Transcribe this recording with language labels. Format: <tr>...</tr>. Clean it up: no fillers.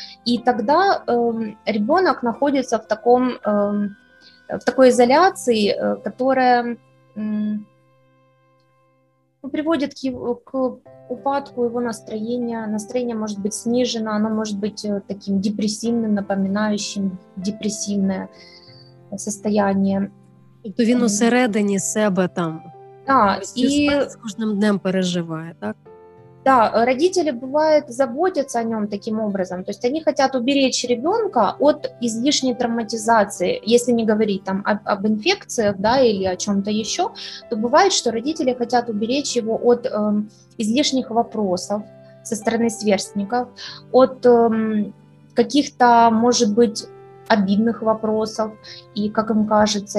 <ru>И тогда ребенок находится в такой изоляции, которая приводит к упадку его настроения. Настроение может быть снижено, оно может быть таким депрессивным, напоминающим депрессивное состояние.</ru> <uk>То він усередині себе там.</uk> <ru>Да, с каждым днем переживает, так? Да, родители, бывает, заботятся о нем таким образом. То есть они хотят уберечь ребенка от излишней травматизации. Если не говорить там об инфекциях, да, или о чем-то еще, то бывает, что родители хотят уберечь его от излишних вопросов со стороны сверстников, от каких-то, может быть, обидных вопросов, и как им кажется.</ru>